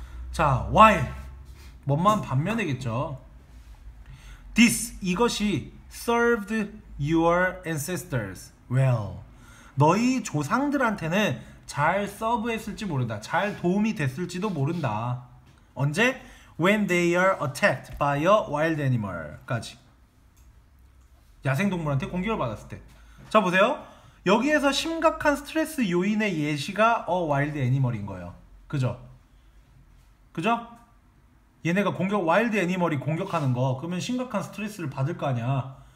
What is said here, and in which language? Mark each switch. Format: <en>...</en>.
<en>자, why?</en> <ko>뭔만 반면이겠죠.</ko> <en>This,</en> <ko>이것이</ko> <en>served your ancestors well.</en> <ko>너희 조상들한테는 잘 서브했을지 모른다. 잘 도움이 됐을지도 모른다. 언제?</ko> <en>When they are attacked by a wild animal 까지.</en> <ko>야생동물한테 공격을 받았을 때. 자, 보세요. 여기에서 심각한 스트레스 요인의 예시가</ko> <en>a wild animal</en> <ko>인 거예요. 그죠? 그죠? 얘네가 공격, 와일드 애니멀이 공격하는 거 그러면 심각한 스트레스를 받을 거 아니야.</ko>